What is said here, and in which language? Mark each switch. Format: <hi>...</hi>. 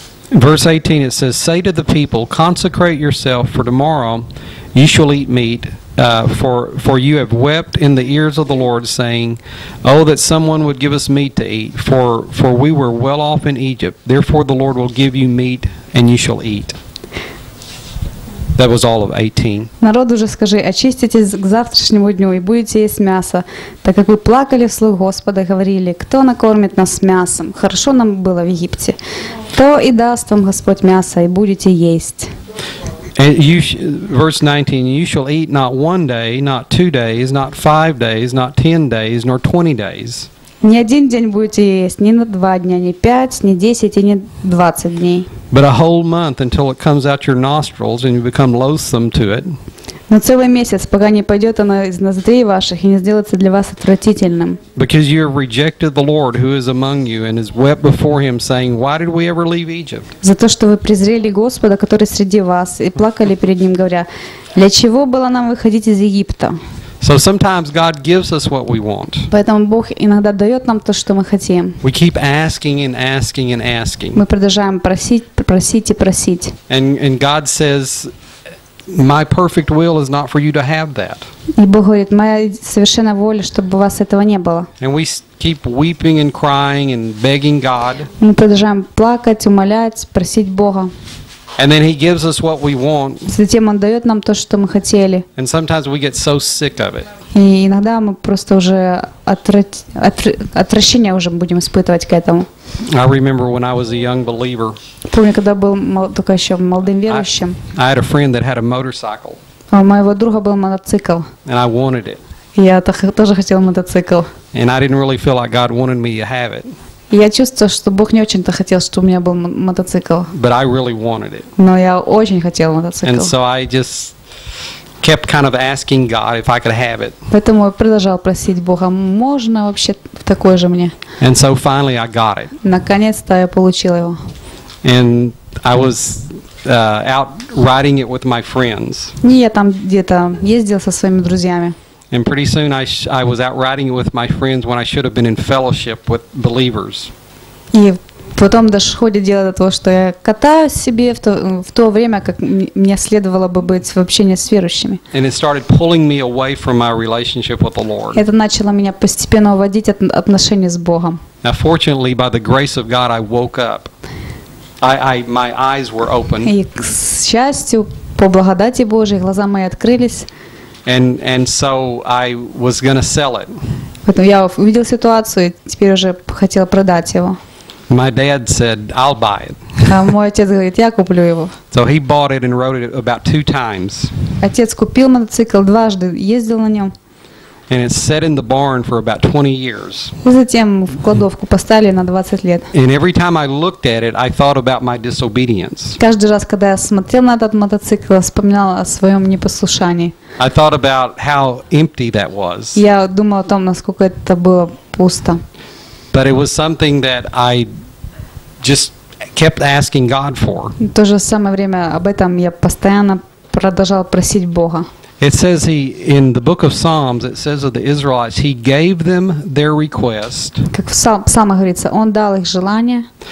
<en>Verse 18, it says, say to the people, consecrate yourself, for tomorrow you shall eat meat, for you have wept in the ears of the Lord, saying, oh, that someone would give us meat to eat, for we were well off in Egypt. Therefore the Lord will give you meat, and you shall eat. That was all of 18.</en> <ru>Народу же скажи, очиститесь к завтрашнему дню и будете есть мясо, так как вы плакали вслух Господа, говорили, кто накормит нас мясом? Хорошо нам было в Египте. То и даст вам Господь мясо, и будете есть.</ru> <en>And you, verse 19, you shall eat not one day, not 2 days, not 5 days, not 10 days, nor 20 days.</en> <ru>Ни один день будете есть, ни на 2 дня, ни 5, ни 10, ни 20 дней.</ru> <en>But a whole month until it comes out your nostrils and you become loathsome to it.</en> <ru>Но целый месяц, пока не пойдет оно из ноздрей ваших и не сделается для вас отвратительным.</ru> <en>Because you have rejected the Lord who is among you and has wept before him, saying, why did we ever leave Egypt?</en> <ru>За то, что вы презрели Господа, который среди вас, и плакали перед ним, говоря, для чего было нам выходить из Египта?</ru> <en>So sometimes God gives us what we want.</en> <ru>Поэтому Бог иногда дает нам то, что мы хотим.</ru> <en>We keep asking and asking and asking.</en> <ru>Мы продолжаем просить, просить и просить.</ru> <en>And God says, my perfect will is not for you to have that.</en> <ru>И Бог говорит, моя совершенная воля, чтобы у вас этого не было.</ru> <en>And we keep weeping and crying and begging God.</en> <ru>Мы продолжаем плакать, умолять, просить Бога.</ru> <en>And then he gives us what we want.</en> <ru>Затем он дает нам то, что мы хотели.</ru> <en>And sometimes we get so sick of it.</en> <ru>И иногда мы просто уже отвращение уже будем испытывать к этому.</ru> <en>I remember when I was a young believer.</en> <ru>Помню, когда был только еще молодым верующим.</ru> <en>I had a friend that had a motorcycle.</en> <ru>У моего друга был мотоцикл.</ru> <en>And I wanted it.</en> <ru>Я тоже хотел мотоцикл.</ru> <en>And I didn't really feel like God wanted me to have it.</en> <ru>Я чувствовал, что Бог не очень-то хотел, чтобы у меня был мотоцикл.</ru> <en>But I really wanted it.</en> <ru>Но я очень хотел мотоцикл.</ru> <en>And so I just kept kind of asking God if I could have it.</en> <ru>Поэтому я продолжал просить Бога, можно вообще такой же мне?</ru> <en>And so finally I got it.</en> <ru>Наконец-то я получил его.</ru> <en>And I was out riding it with my friends.</en> <ru>Не, я там где-то ездил со своими друзьями.</ru> <en>And pretty soon I was out riding with my friends when I should have been in fellowship with believers.</en> <ru>И потом доходит дело до того, что я катаюсь себе в то время, как мне следовало бы быть в общении с верующими.</ru> <en>And it started pulling me away from my relationship with the Lord.</en> <ru>Это начало меня постепенно уводить от отношений с Богом.</ru> <en>Now fortunately, by the grace of God, I woke up. I my eyes were open.</en> <ru>И к счастью, по благодати Божией, глаза мои открылись.</ru> <en>And so I was going to sell it.</en> <ru>Потом я увидел ситуацию, теперь уже хотел продать его.</ru> <en>My dad said, I'll buy it.</en> <ru>А мой отец говорит, я куплю его.</ru> <en>So he bought it and rode it about 2 times.</en> <ru>Отец купил мотоцикл дважды, ездил на нем.</ru> <en>And it sat in the barn for about 20 years.</en> <ru>И затем в кладовку поставили на 20 лет.</ru> <en>And every time I looked at it, I thought about my disobedience.</en> <ru>Каждый раз, когда я смотрел на этот мотоцикл, вспоминал о своем непослушании.</ru> <en>I thought about how empty that was.</en> <ru>Я думал о том, насколько это было пусто.</ru> <en>But it was something that I just kept asking God for.</en> <ru>В то же самое время об этом я постоянно продолжал просить Бога.</ru> <en>It says he in the book of Psalms. It says of the Israelites, he gave them their request.</en> <ru>Как в Псалмах говорится, он дал их желание.</ru>